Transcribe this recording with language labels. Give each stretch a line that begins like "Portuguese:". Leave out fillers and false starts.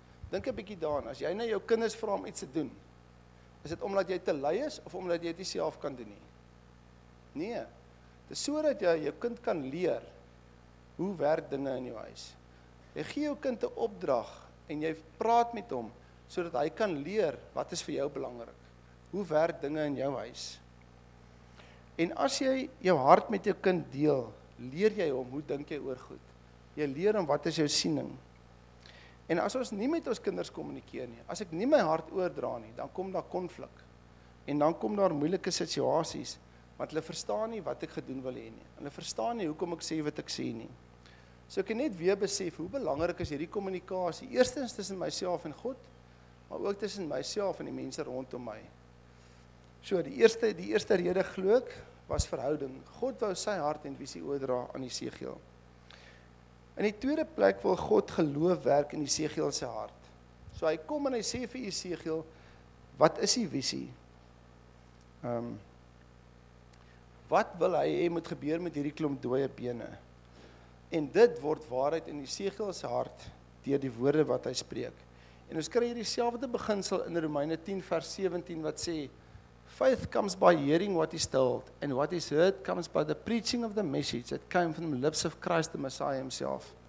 Afrikaans: Dink 'n bietjie daaraan, as jy na jou kinders vra om iets te doen, is dit omdat jy te lui is of omdat jy dit nie self kan doen nie? Nee. Dit is sodat jy jou kind kan leer hoe werk dinge in jou huis. Jy gee jou kind 'n opdrag en jy praat met hom sodat hy kan leer wat is vir jou belangrik. Hoe werk dinge in jou huis? En as jy jou hart met jou kind deel, leer jy hom hoe dink jy oor goed. Jy leer hom wat is jou siening. En as ons nie met ons kinders kommunikeer nie, as ek nie my hart oordra nie, dan kom daar konflik. En dan kom daar moeilike situasies, want hulle verstaan nie wat ek gedoen wil hê nie. Hulle verstaan nie hoekom ek sê wat ek sê nie. So ek kan net weer besef hoe belangrik is hierdie kommunikasie. Eerstens tussen myself en God, maar ook tussen myself en die mense rondom my. So die eerste rede glo ek was verhouding. God wou sy hart en visie oordra aan Jesegiel. In die tweede plek wil God geloof werk in Jesegiel se hart. So hy kom en hy sê vir Jesegiel, wat is die visie? Wat wil hy hê moet gebeur met hierdie klomp dooie bene? En dit word waarheid in Jesegiel se hart deur die woorde wat hy spreek. En ons kry hierdie selfde beginsel in Romeine 10 vers 17 wat sê,
English: faith comes by hearing what is told, and what is heard comes by the preaching of the message that came from the lips of Christ the Messiah himself.